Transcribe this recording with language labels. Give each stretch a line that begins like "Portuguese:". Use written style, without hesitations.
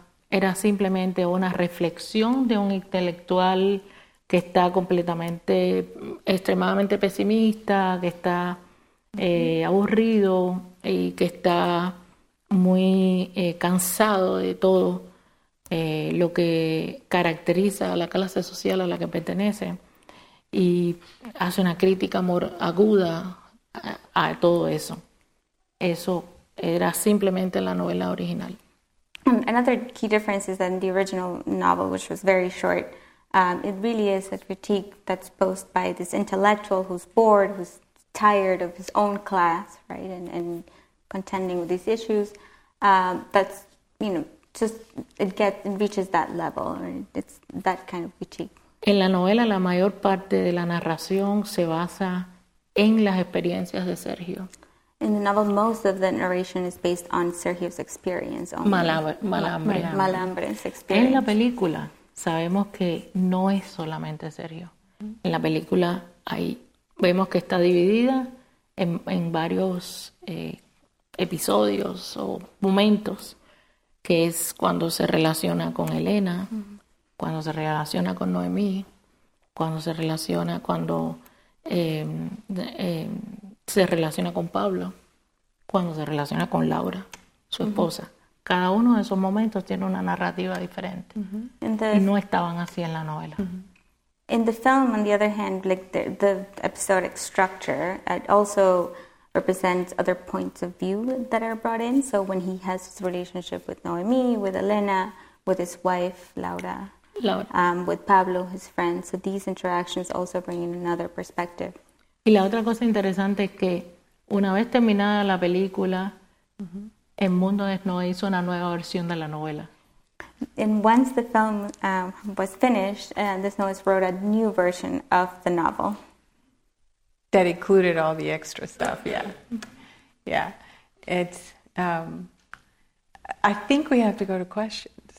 Spanish: era simplemente una reflexión de un intelectual que está completamente, extremadamente pesimista, que está aburrido y que está muy cansado de todo lo que caracteriza a la clase social a la que pertenece. Y hace una crítica
English: more
Spanish: aguda a todo eso. Eso era simplemente la novela original.
English: Another key difference is that in the original novel, which was very short, it really is a critique that's posed by this intellectual who's bored, who's tired of his own class, right, and contending with these issues. That's, you know, just it reaches that level, right? It's that kind of critique.
Spanish: En la novela, la mayor parte de la narración se basa en las experiencias de Sergio.
English: In the novel, most of the narration is based on Sergio's experience. Malambre's experience.
Spanish: En la película, sabemos que no es solamente Sergio. En la película, vemos que está dividida en varios episodios o momentos, que es cuando se relaciona con Elena, cuando se relaciona con Noemí, se relaciona con Pablo, cuando se relaciona con Laura, su esposa. Cada uno de esos momentos tiene una narrativa diferente. Y no estaban así en la novela.
English: In the film, on the other hand, like the episodic structure, it also represents other points of view that are brought in. So when he has his relationship with Noemí, with Elena, with his wife, Laura. With Pablo, his friend. So these interactions also bring in another perspective.
Spanish: Y la otra cosa interesante es que una vez terminada la película, El Mundo Desnoyers hizo una nueva versión de la novela.
English: And once the film was finished, Desnoyers wrote a new version of the novel. That included all the extra stuff, yeah. Yeah. It's I think we have to go to questions.